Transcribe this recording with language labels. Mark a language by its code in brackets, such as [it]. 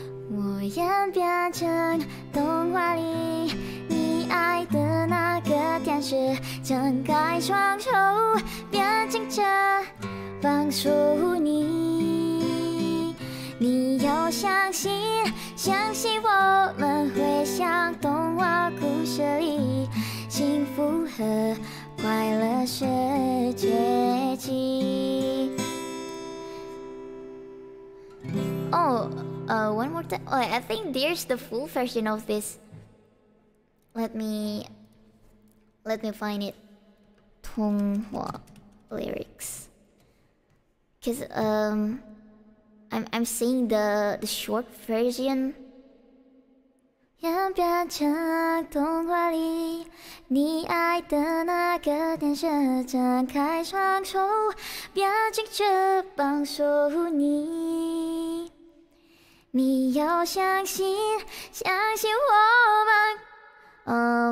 [zh] 我演变成童话里你爱的那个天使，张开双手变成翅膀守护你，你要相信，相信我们会像童话故事里幸福和快乐的结局。 [en] One more time. Oh, I think there's the full version of this. Let me find it. 동화 lyrics. Cause I'm seeing the short version. [zh] 演变成童话里你爱的那个天使，张开双手变成翅膀守护你，你要相信，相信我们。